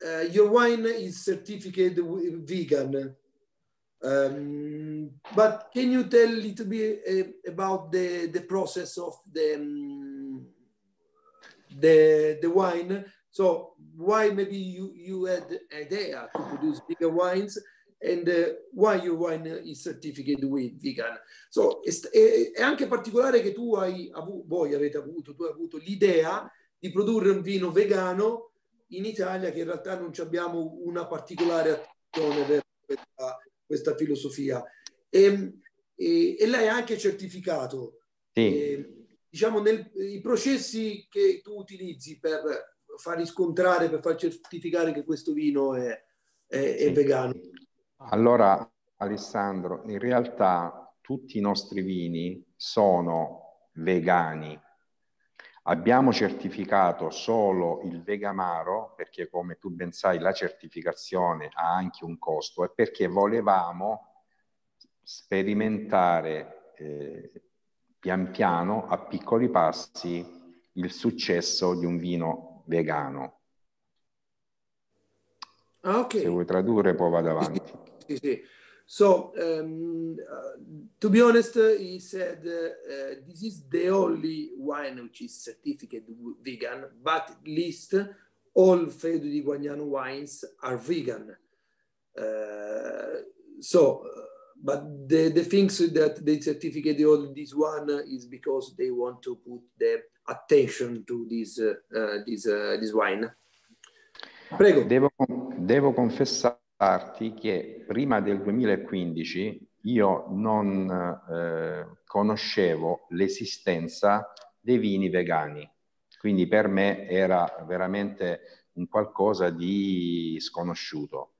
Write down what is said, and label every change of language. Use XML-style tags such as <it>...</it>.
<en>Your wine is certified vegan. But can you tell a little bit about the process of the wine? So why maybe you had an idea to produce vegan wines? And why your wine is certificated with vegan.</en> <it>So è anche particolare che voi avete avuto l'idea di produrre un vino vegano in Italia, che in realtà non ci abbiamo una particolare attenzione per questa filosofia. E l'hai anche certificato. Sì. Diciamo, i processi che tu utilizzi per far riscontrare, per far certificare che questo vino è sì, vegano. Allora, Alessandro, in realtà tutti i nostri vini sono vegani. Abbiamo certificato solo il Vegamaro, perché come tu ben sai la certificazione ha anche un costo, e perché volevamo sperimentare pian piano, a piccoli passi, il successo di un vino vegano. Okay. Se vuoi tradurre, poi vado avanti.</it> <en>So to be honest, he said this is the only wine which is certified vegan, but at least all Fedu di Guagnano wines are vegan. But the things that they certificate all this one is because they want to put the attention to this wine.</en> <it>Prego. Devo confessare che prima del 2015 io non conoscevo l'esistenza dei vini vegani, quindi per me era veramente un qualcosa di sconosciuto.</it>